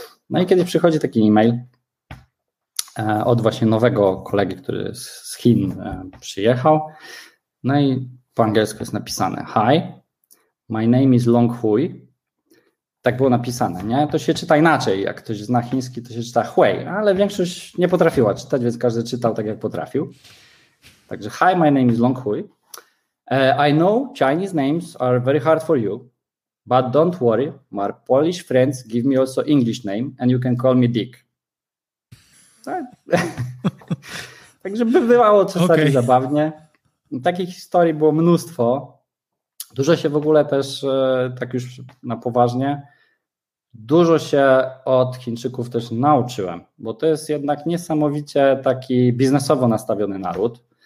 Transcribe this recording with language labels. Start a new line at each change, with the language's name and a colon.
Polish: No i kiedy przychodzi taki e-mail od właśnie nowego kolegi, który z Chin przyjechał, no i po angielsku jest napisane:
English: Hi, my name is Long Hui.
Polish: Tak było napisane, nie? To się czyta inaczej, jak ktoś zna chiński, to się czyta Hui, ale większość nie potrafiła czytać, więc każdy czytał tak, jak potrafił. Także
English: Hi, my name is Long Hui. I know Chinese names are very hard for you, but don't worry, my Polish friends give me also English name and you can call me Dick.
Polish: Także bywało czasami okay. Zabawnie. Takich historii było mnóstwo. Dużo się w ogóle też, tak już na poważnie, dużo się od Chińczyków też nauczyłem, bo to jest jednak niesamowicie taki biznesowo nastawiony naród.